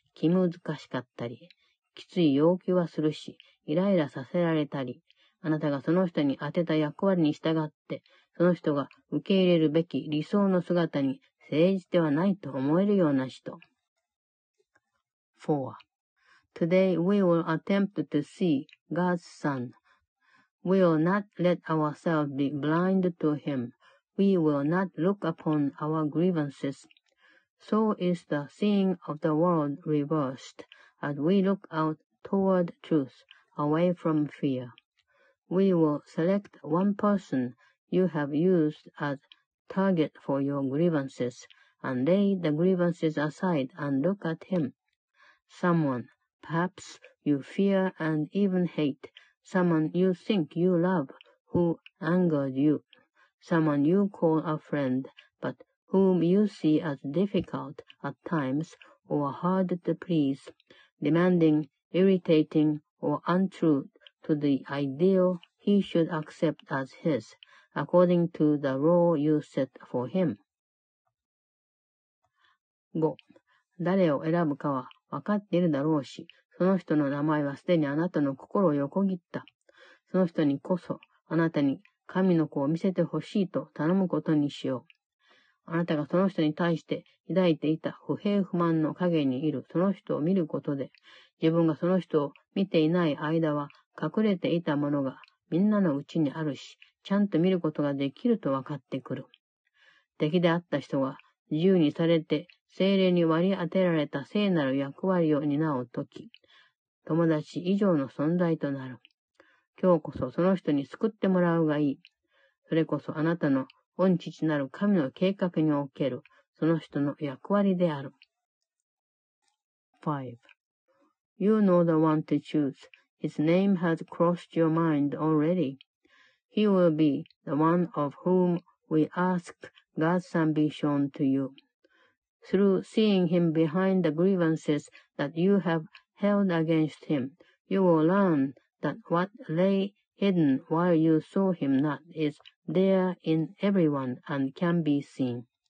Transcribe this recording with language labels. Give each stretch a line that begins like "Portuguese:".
Japanese: 気難しかったり、きつい要求はするし、イライラさせられたり、あなたがその人に当てた役割に従って、その人が受け入れるべき理想の姿に誠実ではないと思えるような人。
English: 4. Today we will attempt to see God's Son. We will not let ourselves be blind to Him. We will not look upon our grievances. So is the seeing of the world reversed as we look out toward truth, away from fear. We will select one person you have used as target for your grievances and lay the grievances aside and look at Him. Someone, perhaps you fear and even hate, someone you think you love, who angered you, someone you call a friend, but whom you see as difficult at times or hard to please, demanding, irritating, or untrue to the ideal he should accept as his, according to the role you set for him.
Japanese: 5. 誰を選ぶかは分かっているだろうし、その人の名前はすでにあなたの心を横切った。その人にこそ、あなたに神の子を見せてほしいと頼むことにしよう。あなたがその人に対して抱いていた不平不満の陰にいるその人を見ることで、自分がその人を見ていない間は隠れていたものがみんなのうちにあるし、ちゃんと見ることができると分かってくる。敵であった人が自由にされて、精霊に割り当てられた聖なる役割を担うとき、友達以上の存在となる。今日こそその人に救ってもらうがいい。それこそあなたの御父なる神の計画におけるその人の役割である。
English: 5. You know the one to choose. His name has crossed your mind already. He will be the one of whom we ask God's Son be shown to you. Through seeing him behind the grievances that you have held against him, you will learn that what lay hidden while you saw him not is there in everyone and can be seen.